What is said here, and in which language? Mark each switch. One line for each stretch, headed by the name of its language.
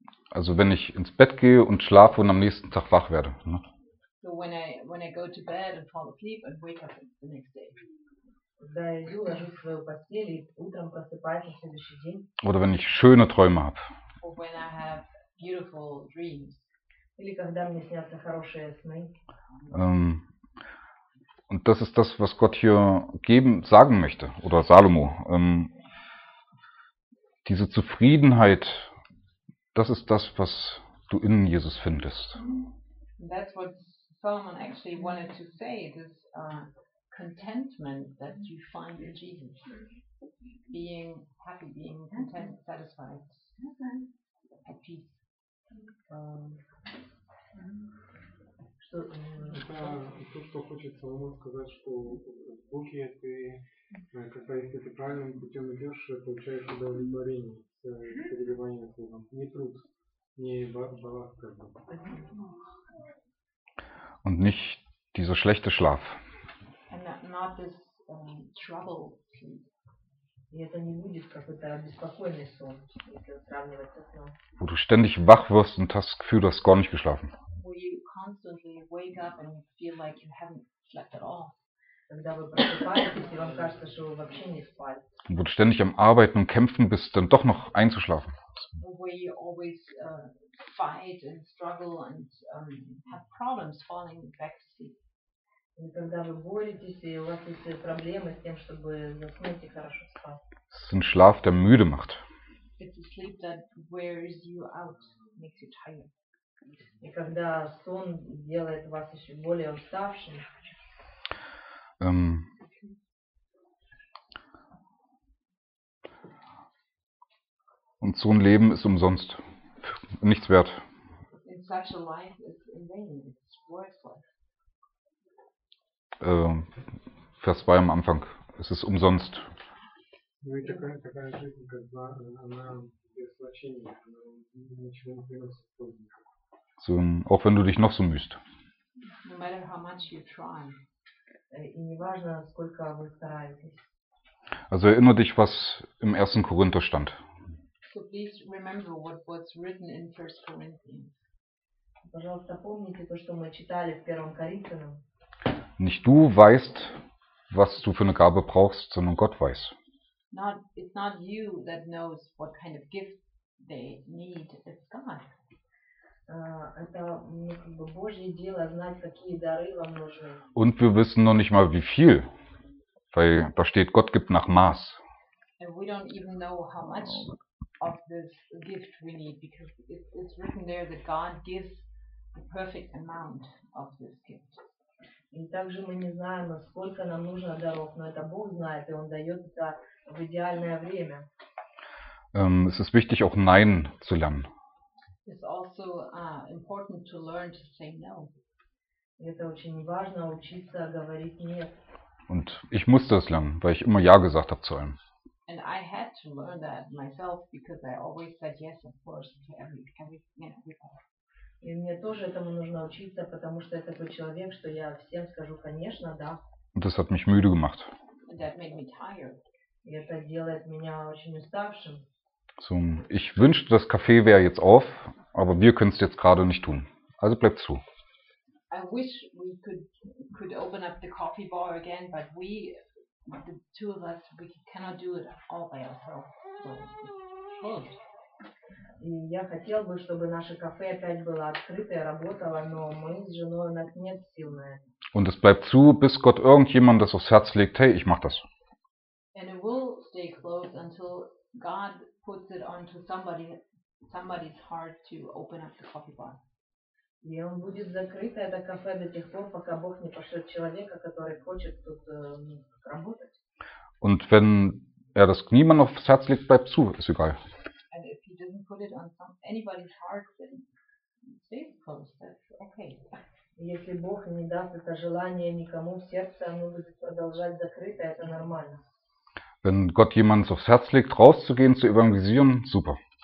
German: Also wenn ich ins Bett gehe und schlafe und am nächsten Tag wach werde. Ne?
English: So when I go to bed and fall asleep and wake up the next day.
Russian: Когда я иду, ложусь в свою постель и утром просыпаюсь на следующий день.
German: Oder wenn ich schöne Träume habe.
English: Or when I have beautiful dreams.
Russian: Или когда мне снятся хорошие сны.
German: Und das ist das, was Gott hier sagen möchte, oder Salomo. Diese Zufriedenheit, das ist das, was du in Jesus findest.
English: That's what Solomon actually wanted to say, this contentment that you find in Jesus. Being happy, being content, satisfied. Okay. peace.
Russian: Что хочется вам сказать, что в Боге ты, когда если ты правильным путем идешь, получаешь удовлетворение с перебиванием Богом. Не труд, не балласт, как бы.
German: Und nicht dieser schlechte Schlaf.
English: And not this trouble.
Russian: И это не будет какой-то беспокойный сон, если сравнивать со сном.
German: Wo du ständig wach wirst und hast Gefühl, du hast gar nicht geschlafen.
English: Where you constantly wake up and you feel like you haven't slept at all.
Russian: Когда вы просыпаетесь, и вам кажется, что вы вообще не спали.
German: Wo du ständig am Arbeiten und Kämpfen bist, dann doch noch einzuschlafen.
English: Where you always fight and struggle and have problems falling back to sleep.
Russian: Когда вы боретесь, и у вас есть проблемы с тем, чтобы заснуть и хорошо спать. Это
German: Schlaf, der müde macht.
English: It's a sleep that wears you out, makes you tired.
Russian: И когда сон делает вас еще более уставшим.
German: Und so ein Leben ist umsonst. Nichts wert.
English: In such a life it's in vain, it's worthless.
German: Vers 2 am Anfang. Es ist umsonst. So, auch wenn du dich noch so mühst.
English: No matter how much you try.
Russian: И не важно, сколько вы стараетесь.
German: Also erinnere dich, was im 1. Korinther stand.
English: So please remember what was written in 1 Corinthians.
Russian: Пожалуйста, помните то, что мы читали в 1 Коринфянам.
German: Nicht du weißt, was du für eine Gabe brauchst, sondern Gott weiß.
English: Not, it's not you that knows what kind of gift they need, it's God.
Russian: Это не как бы Божье дело знать, какие дары вам нужны.
German: Und wir wissen noch nicht mal wie viel, weil da steht, Gott gibt nach Maß.
English: And we don't even know how much of this gift we need, because it's written there that God gives the perfect amount of this gift.
Russian: И также мы не знаем, сколько нам нужно даров, но это Бог знает, и Он дает это в идеальное время.
German: Es ist wichtig, auch Nein zu lernen.
English: It's also important to learn to say no.
Russian: Это очень важно, учиться говорить нет.
German: Und ich musste es lernen, weil ich immer Ja gesagt habe zu allem.
English: And I had to learn that myself, because I always said yes, of course, to everything and everybody.
Russian: И мне тоже этому нужно учиться, потому что я такой человек, что я всем скажу, конечно, да.
German: Das hat mich müde gemacht.
English: That made me tired.
Russian: И это делает меня очень уставшим.
German: So, ich wünschte, das Café wäre jetzt auf, aber wir können es jetzt gerade nicht tun. Also bleibt zu.
English: I wish we could open up the coffee bar again, but we, the two of us, we cannot do it all by ourselves. So, good.
Russian: И я хотел бы, чтобы наше кафе опять было открыто и работало, но мы с женой, у нас нет сил на это.
German: Und es bleibt zu, bis Gott irgendjemand das aufs Herz legt, hey, ich mach das.
English: And it will stay closed until God puts it onto somebody's heart to open up the coffee bar. И он будет закрыт, это кафе, до тех пор, пока Бог не пошлет человека, который хочет тут работать. Und wenn er das niemand aufs Herz legt, bleibt zu, ist egal. And if he doesn't put it on anybody's heart, then stays closed. That's okay.
Russian: Если Бог не даст это желание никому в сердце, оно будет продолжать закрыто, это нормально.
German: Wenn Gott jemand aufs Herz legt, rauszugehen, zu evangelisieren, super.